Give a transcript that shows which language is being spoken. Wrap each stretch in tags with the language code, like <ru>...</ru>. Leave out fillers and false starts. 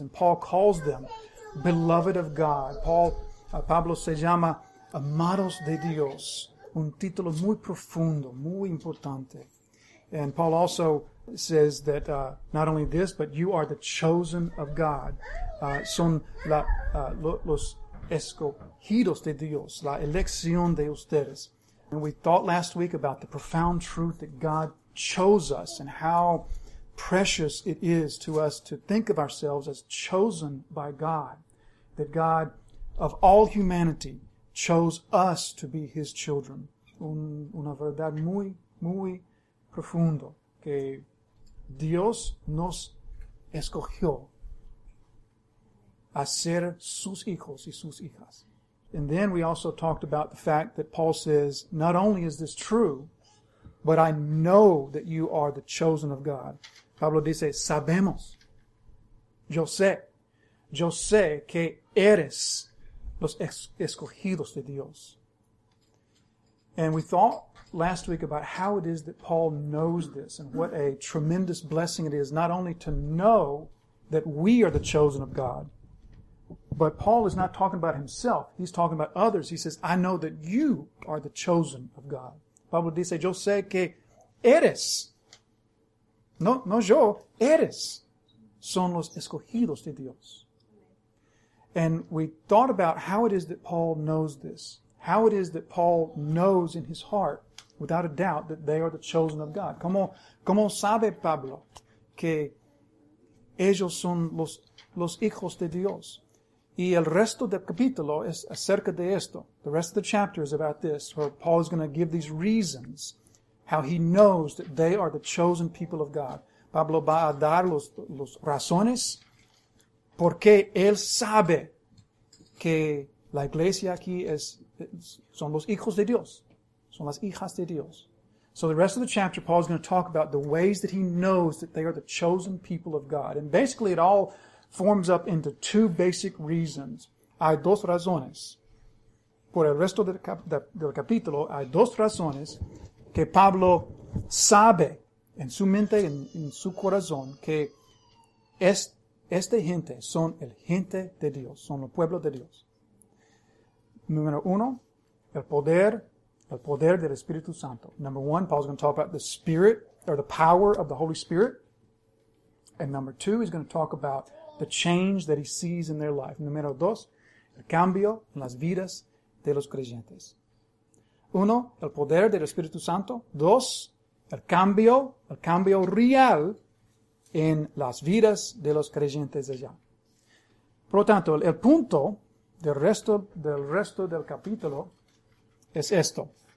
<en>And Paul calls them beloved of God.</en> <es>Pablo se llama amados de Dios. Un título muy profundo, muy importante.</es> <en>And Paul also says that not only this, but you are the chosen of God.</en> <es>Son los escogidos de Dios, la elección de ustedes.</es> <en>And we thought last week about the profound truth that God chose us and how precious it is to us to think of ourselves as chosen by God, that God, of all humanity, chose us to be His children.</en> <es>Una verdad muy, muy profundo, que Dios nos escogió a ser sus hijos y sus hijas.</es> <en>And then we also talked about the fact that Paul says, not only is this true, but I know that you are the chosen of God.</en> <es>Pablo dice, sabemos. Yo sé que eres los escogidos de Dios.</es> <en>And we thought last week about how it is that Paul knows this and what a tremendous blessing it is not only to know that we are the chosen of God, but Paul is not talking about himself. He's talking about others. He says, I know that you are the chosen of God.</en> <es>Pablo dice, yo sé que eres. No yo, eres. Son los escogidos de Dios.</es> <en>And we thought about how it is that Paul knows this. How it is that Paul knows in his heart, without a doubt, that they are the chosen of God.</en> <es>¿Cómo sabe Pablo que ellos son los hijos de Dios? Y el resto del capítulo es acerca de esto.</es> <en>The rest of the chapter is about this, where Paul is going to give these reasons how he knows that they are the chosen people of God.</en> <es>Pablo va a dar los razones porque él sabe que la iglesia aquí son los hijos de Dios. Son las hijas de Dios.</es> <en>So the rest of the chapter, Paul is going to talk about the ways that he knows that they are the chosen people of God. And basically it all forms up into two basic reasons.</en> <es>Hay dos razones. Por el resto del capítulo, hay dos razones que Pablo sabe en su mente, en su corazón, que esta gente son el gente de Dios, son el pueblo de Dios. Número uno, el poder del Espíritu Santo.</es> <en>Number one, Paul's going to talk about the Spirit, or the power of the Holy Spirit. And number two, he's going to talk about the change that he sees in their life.</en> <es>Número dos, el cambio en las vidas de los creyentes. Uno, el poder del Espíritu Santo. Dos, el cambio real en las vidas de los creyentes allá. Por lo tanto, el punto del resto del capítulo es esto.</es>